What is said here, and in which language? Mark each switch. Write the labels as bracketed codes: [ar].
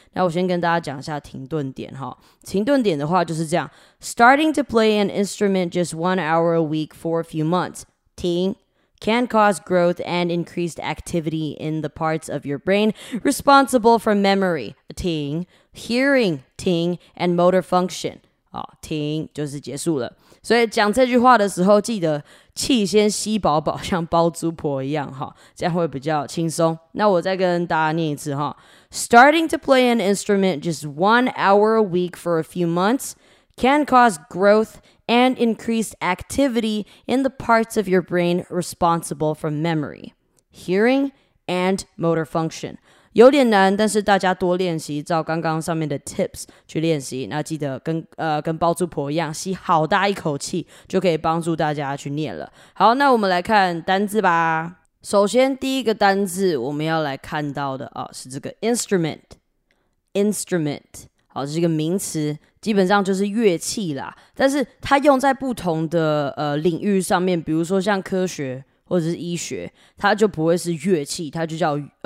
[zh] 那我先跟大家讲一下停顿点哈，停顿点的话就是这样 [en] ，starting to play an instrument just 1 hour a week for a few months， 停 ，can cause growth and increased activity in the parts of your brain responsible for memory， 停 ，hearing， 停 ，and motor function， [zh] 停就是结束了。所以讲这句话的时候，记得气先吸饱饱，像包租婆一样哈，这样会比较轻松。那我再跟大家念一次哈。 [en] Starting to play an instrument just 1 hour a week for a few months can cause growth and increased activity in the parts of your brain responsible for memory, hearing, and motor function. [zh] 有点难，但是大家多练习，照刚刚上面的 tips 去练习，那记得跟包租婆一样，吸好大一口气，就可以帮助大家去念了。好，那我们来看单字吧。首先第一个单字我们要来看到的啊，是这个 instrument， 好，这是一个名词，基本上就是乐器啦，但是它用在不同的领域上面，比如说像科学或者是医学，它就不会是乐器，它就叫